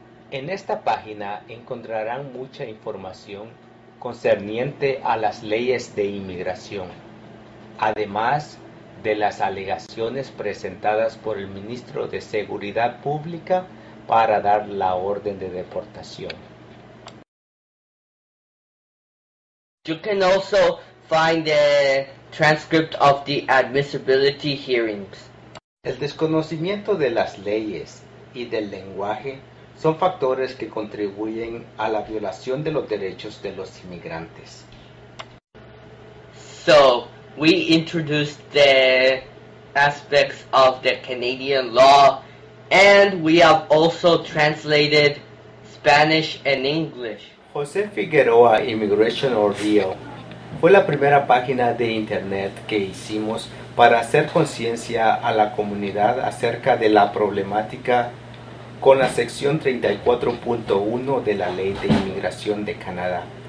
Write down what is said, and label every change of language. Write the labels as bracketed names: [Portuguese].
[Spanish] En esta página encontrarán mucha información concerniente a las leyes de inmigración, además de las alegaciones presentadas por el ministro de Seguridad Pública para dar la orden de deportación. [English] You can also find a transcript of the admissibility hearings. [Spanish] El desconocimiento de las leyes y del lenguaje son factores que contribuyen a la violación de los derechos de los inmigrantes. [English] So, we introduced the aspects of the Canadian law, and we have also translated Spanish and English. [Spanish] José Figueroa Immigration Ordeal fue la primera página de internet que hicimos para hacer conciencia a la comunidad acerca de la problemática con la sección 34.1 de la Ley de Inmigración de Canadá.